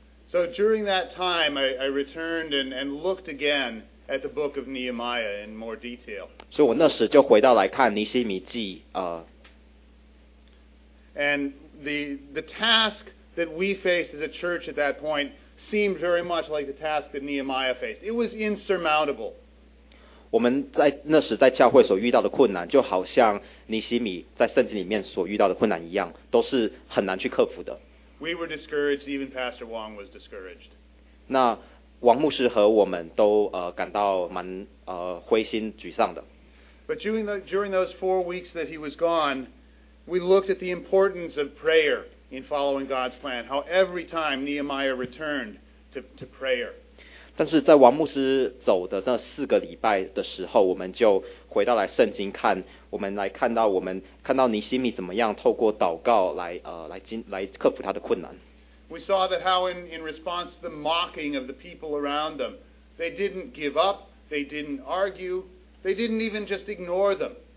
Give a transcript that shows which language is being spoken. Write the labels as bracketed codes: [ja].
[en] So during that time, I returned and looked again at the book of Nehemiah in more detail. [zh] 所以我那时就回到来看尼希米记 [en] And the task that we faced as a church at that point seemed very much like the task that Nehemiah faced. It was insurmountable. [zh] 我们在那时在教会所遇到的困难，就好像尼希米在圣经里面所遇到的困难一样，都是很难去克服的。 [en] We were discouraged, even Pastor Wong was discouraged. [zh] 那王牧师和我们都感到蛮灰心沮丧的。 [en] But during those 4 weeks that he was gone, we looked at the importance of prayer in following God's plan, how every time Nehemiah returned to prayer. [zh] 但是在王牧师走的那四个礼拜的时候，我们就回到来圣经看，我们来看到尼希米怎么样透过祷告来克服他的困难。 [en] We saw that how in response to the mocking of the people around them, they didn't give up, they didn't argue, they didn't even just ignore them.